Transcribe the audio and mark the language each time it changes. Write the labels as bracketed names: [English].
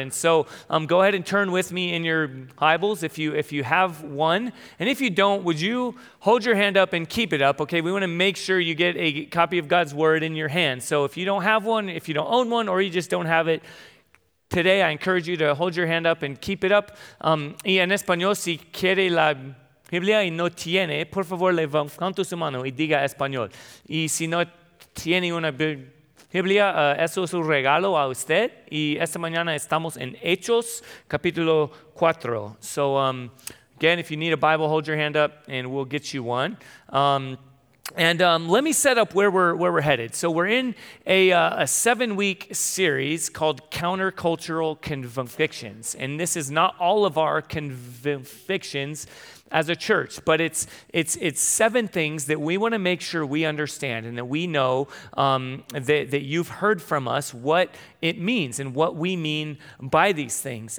[English] And so go ahead and turn with me in your Bibles if you have one. And if you don't, would you hold your hand up and keep it up, okay? We want to make sure you get a copy of God's Word in your hand. So if you don't have one, if you don't own one, or you just don't have it today, I encourage you to hold your hand up and keep it up. [Spanish] Y en español, si quiere la Biblia y no tiene, por favor, levanta su mano y diga español. Y si no tiene una Biblia, eso es un regalo a usted. Y esta mañana estamos en Hechos, capítulo 4. [English] So, again, if you need a Bible, hold your hand up and we'll get you one. Let me set up where we're headed. So we're in a 7-week series called Countercultural Convictions. And this is not all of our convictions as a church, but it's 7 things that we want to make sure we understand and that we know that you've heard from us what it means and what we mean by these things.